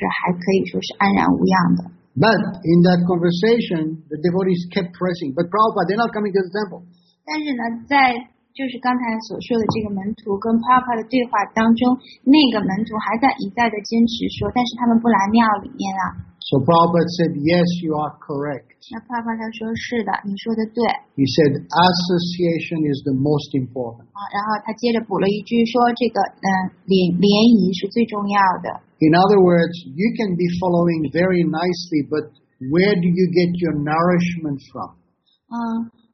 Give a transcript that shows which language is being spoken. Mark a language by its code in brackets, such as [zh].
[zh] 那所以呢,在这里的这个关键就是在于,无论你是在世界上的哪个地方,只要你是遵循着灵性导师给你的这个序域,那第二点就是得到别的奉献者的这个祝福,那么你就是还可以说是安然无恙的。 [en] But in that conversation, the devotees kept pressing. But Prabhupada, they're not coming to the temple. [zh] 但是呢，在就是刚才所说的这个门徒跟Prabhupada的对话当中，那个门徒还在一再的坚持说，但是他们不来庙里面啊。So [en] Prabhupada said, "Yes, you are correct." [zh] 那Prabhupada说，是的，你说的对。He [en] said, "Association is the most important." [zh] 然后他接着补了一句说，这个联谊是最重要的。 [en] In other words, you can be following very nicely, but where do you get your nourishment from?